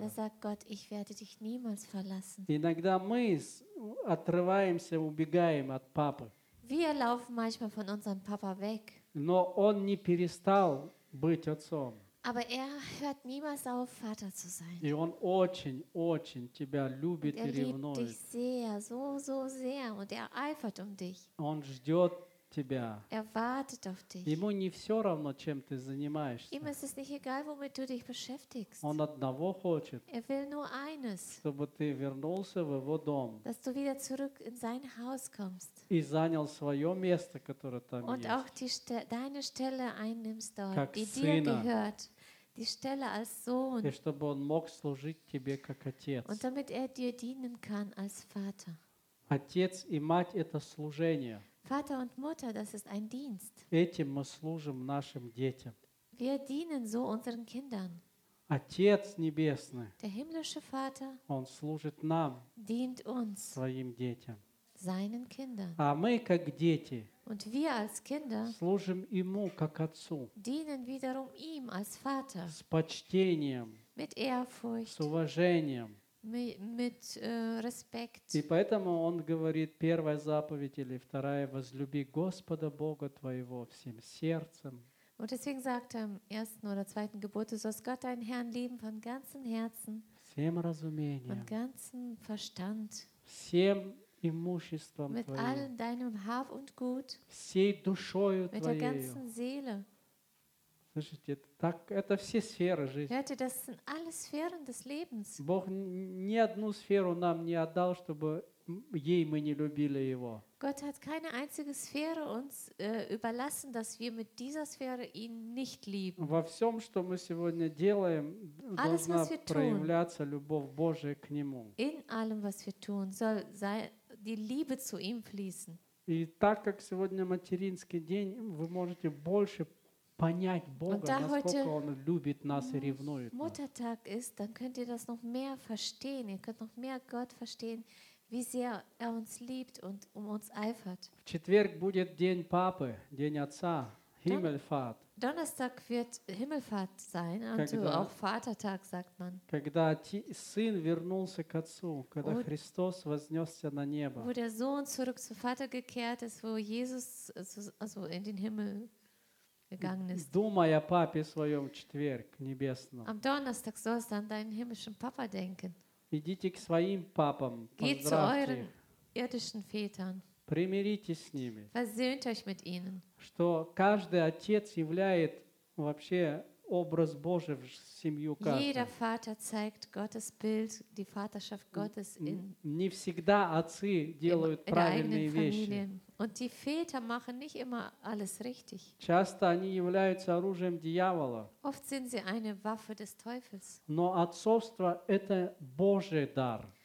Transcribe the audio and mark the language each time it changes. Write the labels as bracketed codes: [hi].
[de] Dann sagt Gott, ich werde dich niemals verlassen. [ru] Иногда мы отрываемся, убегаем от папы. [de] Wir laufen manchmal von unserem Papa weg. [ru] Но он не перестал быть отцом. [de] Aber er hört niemals auf, Vater zu sein. [ru] И он очень, очень тебя любит [de] und er [ru] и ревнует. [de] Liebt dich sehr, so, so sehr und er eifert dich. [ru] Он ждет тебя. [de] Er wartet auf dich. [ru] Ему не все равно, чем ты занимаешься. [de] Ihm ist es nicht egal, womit du dich beschäftigst. [ru] Он одного хочет. [de] Er will nur eines. [ru] Чтобы ты вернулся в его дом. [de] Dass du wieder zurück in sein Haus kommst. [ru] И занял свое место, которое там [de] Und [ru] есть. [de] Auch die deine Stelle einnimmst dort, [ru] как [de] die [ru] сына. [de] Dir gehört. Die Stelle als Sohn. [ru] И чтобы он мог служить тебе как отец. [de] Und damit er dir dienen kann als Vater. [ru] Отец и мать – это служение. [de] Vater und Mutter, das ist ein Dienst. [ru] Этим мы служим нашим детям. [de] Wir dienen so unseren Kindern. [ru] Отец небесный. [de] Der himmlische Vater. [ru] Он служит нам. [de] Dient uns. [ru] Своим детям. [de] Seinen Kindern. [ru] А мы как дети. [de] Und wir als Kinder. [ru] Служим ему как отцу. [de] Dienen wiederum ihm als Vater. [ru] С почтением. [de] Mit Ehrfurcht. [ru] С уважением. [de] Mit Respekt. [ru] И поэтому он говорит первая заповедь или вторая возлюби Господа Бога твоего всем сердцем. [de] Und deswegen sagt er im ersten oder zweiten Gebot, du sollst Gott deinen Herrn lieben von ganzem Herzen. [ru] Всем разумением. [de] Von ganzem Verstand. [ru] Всем имуществом [de] mit [ru] твоим. [de] Mit all deinem Hab und Gut. [ru] Всей душою [de] mit [ru] твоей. [de] Mit der ganzen Seele. [ru] Слушайте, так, это все сферы жизни. [de] Hörte, das sind alle Sphären des Lebens. [ru] Бог ни одну сферу нам не отдал, чтобы ей мы не любили Его. [de] Gott hat keine einzige Sphäre uns überlassen, dass wir mit dieser Sphäre ihn nicht lieben. [ru] Во всем, что мы сегодня делаем, [de] Alles, [ru] должна проявляться любовь Божия к Нему. [de] In allem, was wir tun, soll die Liebe zu ihm fließen. [ru] И так как сегодня материнский день, вы можете больше понять Бога, [de] da [ru] насколько Он любит нас и ревнует нас. [de] Muttertag ist, dann könnt ihr das noch mehr verstehen. Ihr könnt noch mehr Gott verstehen, wie sehr er uns liebt und uns eifert. [ru] В четверг будет день Папы, день Отца, Himmelfahrt. [de] Donnerstag wird Himmelfahrt sein, also auch Vatertag, sagt man. [ru] Когда Сын вернулся к Отцу, когда Христос вознесся на небо. [de] Wo der Sohn zurück zu Vater gekehrt ist, wo Jesus also in den Himmel [ru] Думай о папе своем в четверг небесном. [de] Am Donnerstag sollst du an deinen himmlischen Papa denken. [ru] Идите к своим папам, поздравьте их. Примиритесь с ними. [de] Versöhnt euch mit ihnen. [ru] Что каждый отец являет вообще образ Божий в семью каждой. [de] Jeder Vater zeigt Gottes Bild, die Vaterschaft Gottes in. [ru] Не всегда отцы делают правильные вещи. [de] Und die Väter machen nicht immer alles richtig. [ru] Часто они являются оружием дьявола. [de] Oft sind sie eine Waffe des Teufels. [ru] Но отцовство – это Божий дар.